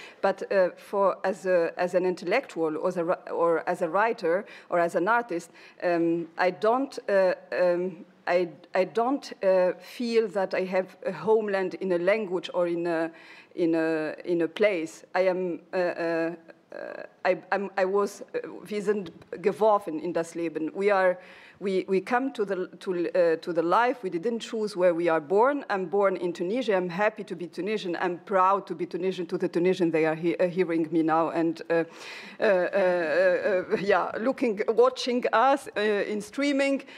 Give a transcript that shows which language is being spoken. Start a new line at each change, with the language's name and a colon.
English: But as an intellectual or as a writer or as an artist, I don't feel that I have a homeland in a language or in a place. I am I was
German: wir sind geworfen in das Leben.
English: We come to the life. We didn't choose where we are born. I'm born in Tunisia. I'm happy to be Tunisian. I'm proud to be Tunisian. To the Tunisian, they are hearing me now and watching us in streaming.